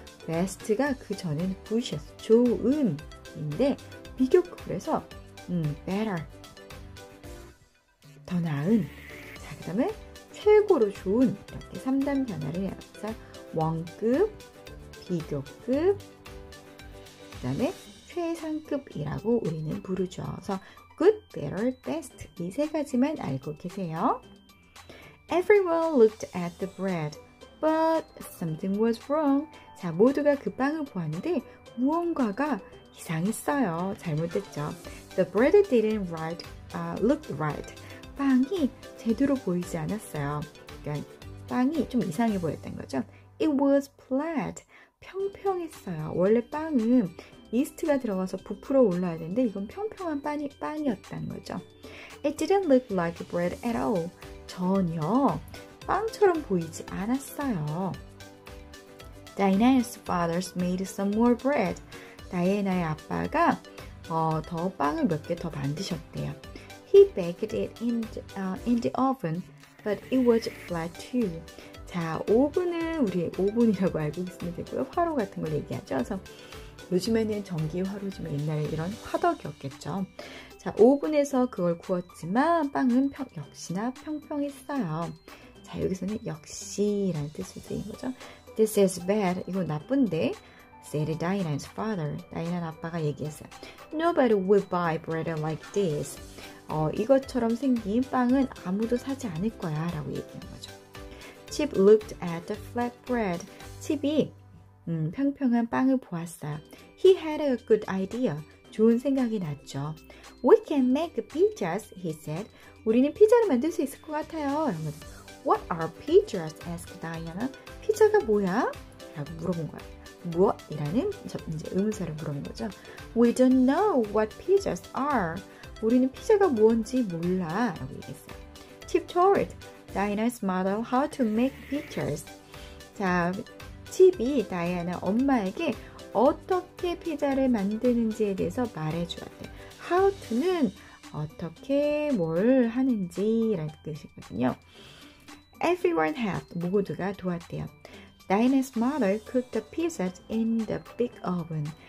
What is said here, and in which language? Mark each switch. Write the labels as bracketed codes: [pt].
[ko] best가 그 전엔 good이었어, 좋은인데 비교급을 해서 better, 더 나은. 자, 그 다음에 최고로 좋은, 이렇게 3단 변화를 해서 원급, 비교급, 그 다음에 최상급이라고 우리는 부르죠. 그래서 good, better, best 이 세 가지만 알고 계세요. [en] Everyone looked at the bread, but something was wrong. [ko] 자, 모두가 그 빵을 보았는데 무언가가 이상했어요. 잘못됐죠. [en] The bread didn't right, look right. [ko] 빵이 제대로 보이지 않았어요. 그러니까 빵이 좀 이상해 보였던 거죠. [en] It was flat. [ko] 평평했어요. 원래 빵은 이스트가 들어가서 부풀어 올라야 되는데 이건 평평한 빵이었다는 거죠. [en] It didn't look like bread at all. [ko] 전혀 빵처럼 보이지 않았어요. [en] Diana's father made some more bread. [ko] 다이애나의 아빠가 더 빵을 몇 개 더 만드셨대요. [en] He baked it in the oven, but it was flat too. [ko] 자, 오븐은 우리 오븐이라고 알고 있으면 되고요. 화로 같은 걸 얘기하죠. 그래서 요즘에는 전기 화로지만 옛날에 이런 화덕이었겠죠. 자, 오븐에서 그걸 구웠지만 빵은 역시나 평평했어요. 자, 여기서는 역시라는 뜻을 쓰인 거죠. [en] This is bad. [ko] 이거 나쁜데. [en] Said Diana's father. [ko] 다이나는 아빠가 얘기했어요. [en] Nobody would buy bread like this. [ko] 이것처럼 생긴 빵은 아무도 사지 않을 거야 라고 얘기한 거죠. [en] Chip looked at the flat bread. [ko] Chip이 평평한 빵을 보았어요. [en] He had a good idea. [ko] 좋은 생각이 났죠. [en] We can make pizzas, he said. [ko] 우리는 피자를 만들 수 있을 것 같아요. [en] What are pizzas? asked Diana. [ko] 피자가 뭐야? 라고 물어본 거야. 무엇이라는 이제 의문사를 물어본 거죠. [en] We don't know what pizzas are. [ko] 우리는 피자가 뭔지 몰라 라고 얘기했어요. [en] Chip told Diana's mother how to make pizzas. [ko] 자, 칩이 다이애나 엄마에게 어떻게 피자를 만드는지에 대해서 말해주었대요. How to는 어떻게 뭘 하는지 라는 뜻이거든요. [en] Everyone helped. [ko] 모두가 도왔대요. [en] Diana's mother cooked the pizzas in the big oven.